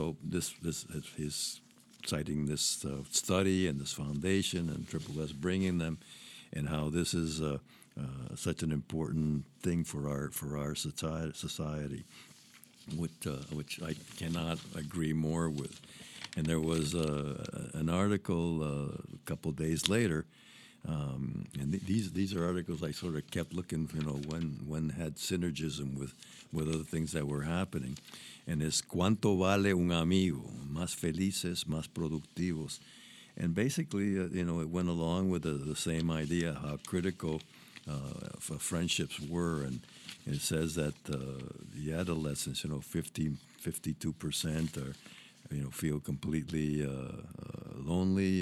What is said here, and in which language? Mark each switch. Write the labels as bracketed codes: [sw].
[en] So he's citing this study and this foundation and Triple S bringing them, and how this is such an important thing for our society, which I cannot agree more with. And there was an article a couple days later, and these are articles I sort of kept looking, you know, when had synergism with other things that were happening. And it's [es] ¿Cuánto vale un amigo? Más felices, más productivos. [en] And basically, it went along with the same idea, how critical friendships were. And it says that the adolescents, 52% feel completely lonely.